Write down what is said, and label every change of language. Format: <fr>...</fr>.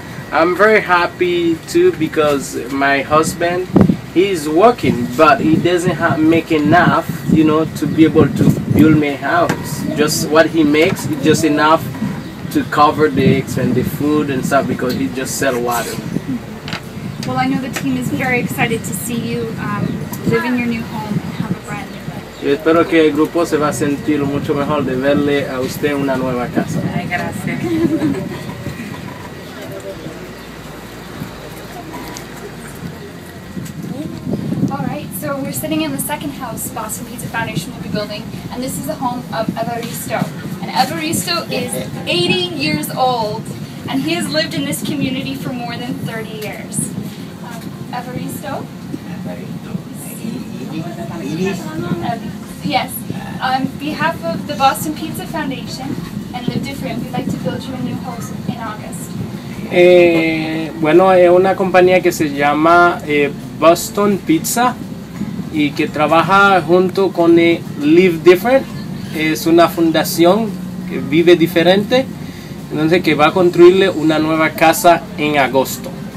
<en>I'm very happy too because my husband, he's working, but he doesn't make enough, you know, to be able to build me a house. Just what he makes is just enough to cover the eggs and the food and stuff because he just sells water. Well, I know the team is very excited to see you live in your new home and have a brand new life.</en> <es>Yo espero que el grupo se va a sentir mucho mejor de verle a usted una nueva casa. Ay, gracias.</es> <en>We're sitting in the second house Boston Pizza Foundation will be building, and this is the home of Evaristo. And Evaristo is 80 years old, and he has lived in this community for more than 30 years. Evaristo? Evaristo. Yes. On behalf of the Boston Pizza Foundation and Live Different, we'd like to build you a new home in August.</en> <es>Bueno, es una compañía que se llama Boston Pizza. Y que trabaja junto con Live Different, es una fundación que vive diferente, entonces que va a construirle una nueva casa en agosto.</es>